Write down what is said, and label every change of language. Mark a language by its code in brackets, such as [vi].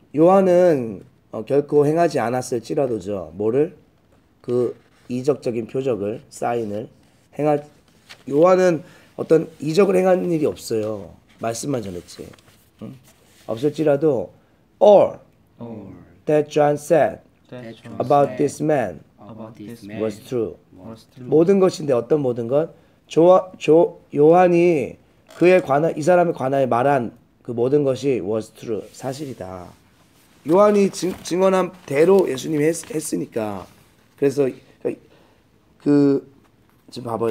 [ko] 요한은 결코 행하지 않았을지라도죠. 뭐를? 그 이적적인 표적을, 사인을 행할 요한은 어떤 이적을 행한 일이 없어요. 말씀만 전했지. 없을지라도 [en] all that John said about this man was true. [ko] 모든 것인데 어떤 모든 것? 요한이 그에 관한 이 사람에 관하여 말한 그 모든 것이 [en] was true, [ko] 사실이다. 요한이 증언한 대로 예수님이 했으니까. 그래서 그 지금 봐봐요.